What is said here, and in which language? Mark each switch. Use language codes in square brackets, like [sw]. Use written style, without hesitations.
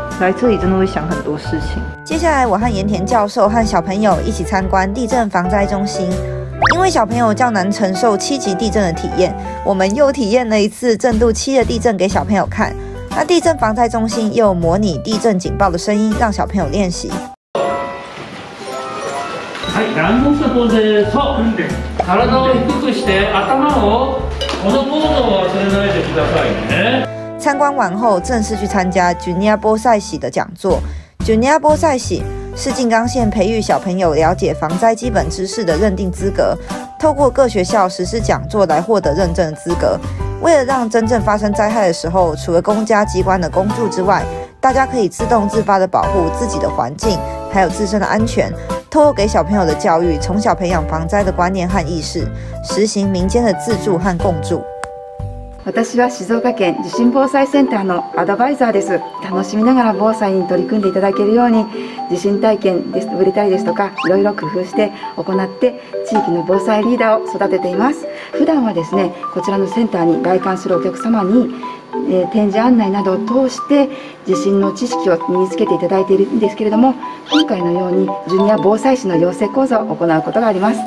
[zh] 来这里真的会想很多事情。接下来我和岩田教授和小朋友一起参观地震防灾中心。因为小朋友较难承受7级地震的体验，我们又体验了一次震度7的地震给小朋友看。那地震防灾中心又模拟地震警报的声音让小朋友练习。 [ja] はい、ランドセルポーズです。体を低くして頭をこのポーズを忘れないでくださいね。 [zh] 参观完后，正式去参加ジュニア防災士的讲座。ジュニア防災士是静冈县培育小朋友了解防灾基本知识的认定资格，透过各学校实施讲座来获得认证资格。为了让真正发生灾害的时候，除了公家机关的工作之外，大家可以自动自发的保护自己的环境还有自身的安全，透过给小朋友的教育，从小培养防灾的观念和意识，实行民间的自助和共助。 [ja] 私は静岡県地震防災センターのアドバイザーです。楽しみながら防災に取り組んでいただけるように、地震体験で触れたりですとか、いろいろ工夫して行って地域の防災リーダーを育てています。普段はですね、こちらのセンターに来館するお客様に、展示案内などを通して地震の知識を身につけていただいているんですけれども、今回のようにジュニア防災士の養成講座を行うことがあります。